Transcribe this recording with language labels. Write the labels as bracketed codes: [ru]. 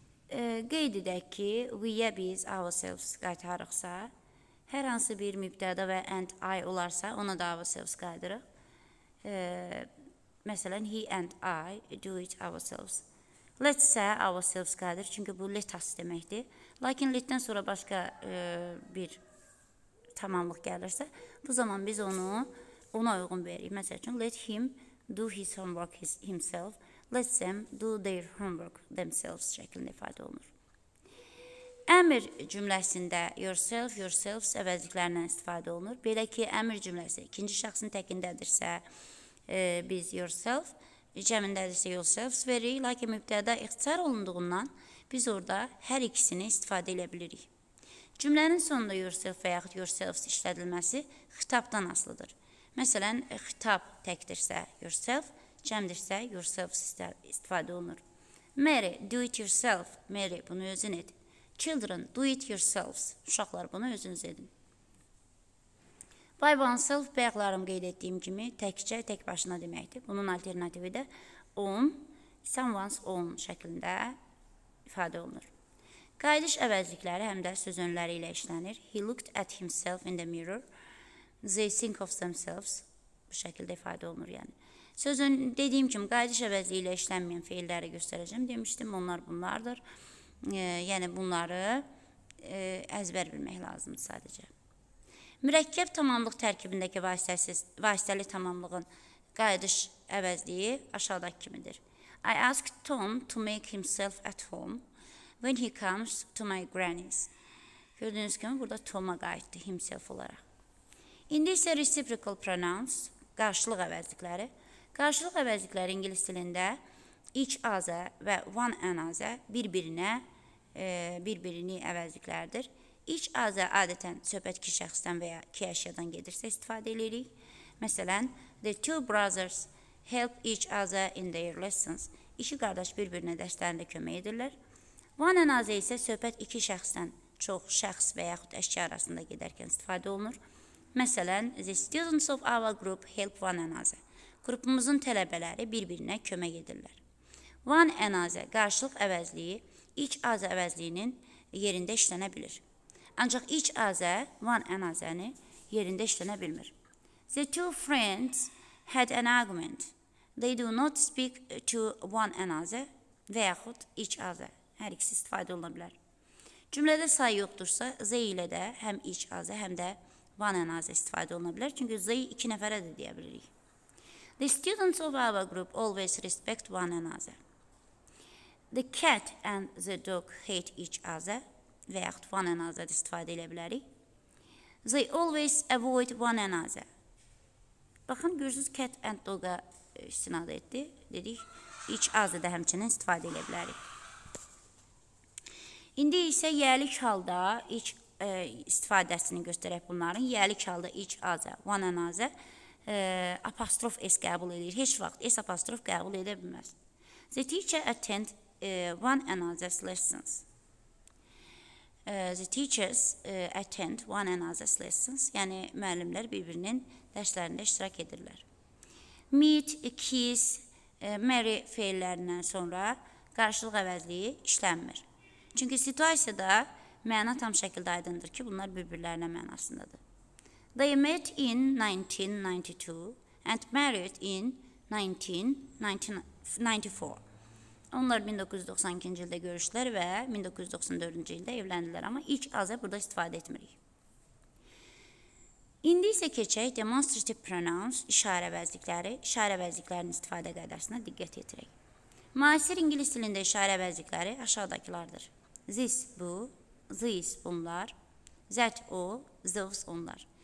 [az] Qeyd edək ki, we-yə biz ourselves qaytarıqsa, hər hansı bir mübtəda və and I olarsa, ona da ourselves qaydırıq. [en] Məsələn, he and I do it ourselves. Let's say ourselves [az] qaydır, çünki bu [en] let us deməkdir. [az] Lakin let-dən sonra başqa bir tamamlıq gəlirsə, bu zaman biz onu ona uyğun veririk. Məsəl üçün, [en] let him do his homework himself. Let them do their homework themselves [az] şəklində ifadə olunur. Əmr cümləsində yourself, yourselves əvəzliklərindən istifadə olunur. Belə ki, əmr cümləsi ikinci şəxsin təkindədirsə, biz yourself, cəmindədirsə yourselves veririk. Lakin mübtədə ixtisar olunduğundan biz orada hər ikisini istifadə edə bilirik. Cümlənin sonunda yourself və yaxud yourselves işlədilməsi xitabdan asılıdır. Məsələn, xitab təkdirsə yourself, cəmdirsə yourselves istifadə olunur. [en] Mary, do it yourself. Mary, [az] bunu özün et. [en] Children, do it yourselves. [az] Uşaqlar, bunu özünüz edin. By oneself, bayaqlarım qeyd etdiyim kimi, təkcə, tək başına deməkdir. Bunun alternativi də on, someone's own şəklində ifadə olunur. Qayıdış əvəzlikləri həm də söz önləri ilə işlənir. [en] He looked at himself in the mirror. They think of themselves. [az] Bu şəkildə ifadə olunur yəni. Sözün dediyim kimi, qayıdış əvəzliyi ilə işlənməyən feilləri göstərəcəm demişdim. Onlar bunlardır. Yəni, bunları əzbər bilmək lazımdır sadəcə. Mürəkkəb tamamlıq tərkibindəki vasitəli tamamlığın qayıdış əvəzliyi aşağıdakı kimidir. [en] I asked Tom to make himself at home when he comes to my granny's. [az] Gördüyünüz kimi, burada Tom'a qayıtdı himself olaraq. İndi isə reciprocal pronouns, qarşılıq əvəzlikləri. Qarşılıq əvəzlikləri ingilis dilində each other və one another bir-birinə, bir-birini əvəzliklərdir. Each other adətən söhbət iki şəxsdən və ya iki əşyadan gedirsə istifadə edirik. Məsələn, [en] the two brothers help each other in their lessons. [az] İki qardaş bir-birinə dərslərində kömək edirlər. One another isə söhbət iki şəxsdən çox şəxs və yaxud əşya arasında gedərkən istifadə olunur. Məsələn, [en] the students of our group help one another. [az] Qrupumuzun tələbələri bir-birinə kömək edirlər. One another qarşılıq əvəzliyi each other əvəzliyinin yerində işlənə bilir. Ancaq each other one another-ni yerində işlənə bilmir. [en] The two friends had an argument. They do not speak to one another [az] və yaxud [en] each other. [az] Hər ikisi istifadə oluna bilər. Cümlədə say yoxdursa, they ilə də həm each other, həm də one another istifadə oluna bilər. Çünki they iki nəfərə də deyə bilirik. [en] The students of our group always respect one another. The cat and the dog hate each other və yaxud one another [az] istifadə edə bilərik. [en] They always avoid one another. [az] Baxın, görürsünüz, cat and dog-a istinad etdi. Dedik, each other-da həmçinin istifadə edə bilərik. İndi isə yəlik halda each istifadəsini göstərək bunların. Yəlik halda each other, one another apostrof s qəbul edir. Heç vaxt s apostrof qəbul edə bilməz. [en] The teacher attend one another's lessons. The teachers attend one another's lessons. [az] Yəni, müəllimlər bir-birinin dərslərində iştirak edirlər. Meet, kiss, marry feillərindən sonra qarşılıq əvəzliyi işlənmir. Çünki situasiyada məna tam şəkildə aydındır ki, bunlar bir-birlərinə mənasındadır. [en] They met in 1992 and married in 1994. [az] Onlar 1992-ci ildə görüşdülər və 1994-cü ildə evləndilər, amma ilk azə burada istifadə etmirik. İndi isə keçək demonstrative pronouns, işarə vəzlikləri, işarə vəzliklərinin istifadə qaydasına diqqət yetirək. Müasir ingilis dilində işarə vəzlikləri aşağıdakılardır. This, bu, this, bunlar, that, o, those, onlar.